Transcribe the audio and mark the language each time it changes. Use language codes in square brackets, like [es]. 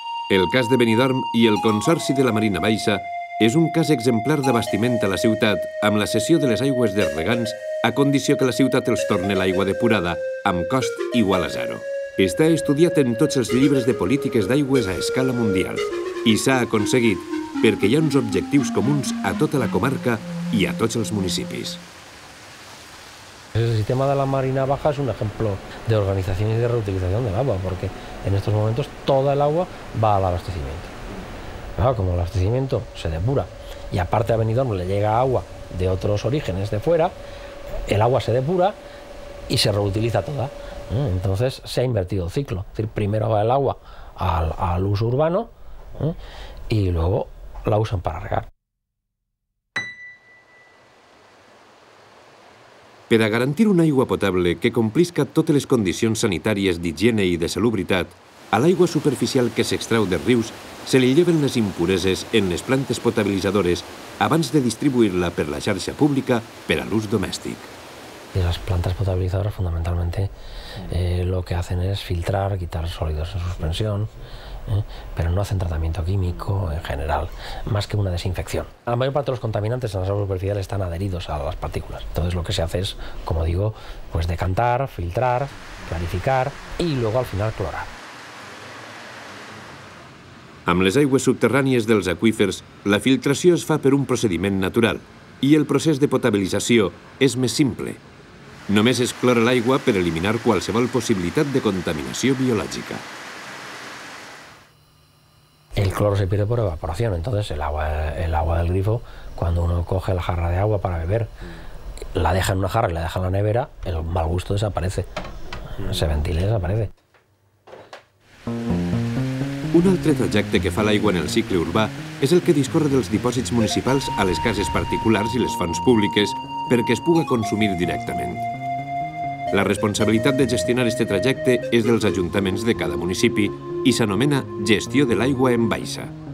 [ca] El cas de Benidorm i el Consorci de la Marina Baixa és un cas exemplar d'abastiment a la ciutat amb la cessió de les aigües dels regants a condició que la ciutat els torni l'aigua depurada amb cost igual a zero. Està estudiat en tots els llibres de polítiques d'aigües a escala mundial i s'ha aconseguit perquè hi ha uns objectius comuns a tota la comarca i a tots els municipis. [es] El sistema de la Marina Baja es un ejemplo de organización y de reutilización del agua, porque en estos momentos toda el agua va al abastecimiento. Claro, como el abastecimiento se depura y aparte a Benidorm le llega agua de otros orígenes de fuera, el agua se depura y se reutiliza toda. Entonces se ha invertido el ciclo. Es decir, primero va el agua al uso urbano y luego la usan para regar. [ca] Per a garantir una aigua potable que complisca totes les condicions sanitàries d'higiene i de salubritat, a l'aigua superficial que s'extrau dels rius se li lleven les impureses en les plantes potabilitzadores abans de distribuir-la per la xarxa pública per a l'ús domèstic. Les plantes potabilitzadores, fundamentalment, el que fan és filtrar, quitar sòlids en suspensió, però no fan tractament químic en general, més que una desinfecció. La major part dels contaminants en les aigües superficials estan adherits a les partícules. Llavors, el que es fa és, com dic, decantar, filtrar, clarificar i, al final, clorar. Amb les aigües subterrànies dels aqüífers, la filtració es fa per un procediment natural i el procés de potabilització és més simple. Només es clora l'aigua per eliminar qualsevol possibilitat de contaminació biològica. [es] El cloro se pierde por evaporación, entonces el agua del grifo, cuando uno coge la jarra de agua para beber, la deja en una jarra y la deja en la nevera, el mal gusto desaparece, se ventila y desaparece. [ca] Un altre trajecte que fa l'aigua en el cicle urbà és el que discorre dels dipòsits municipals a les cases particulars i les fonts públiques perquè es puga consumir directament. La responsabilitat de gestionar este trajecte és dels ajuntaments de cada municipi i s'anomena gestió de l'aigua en baixa.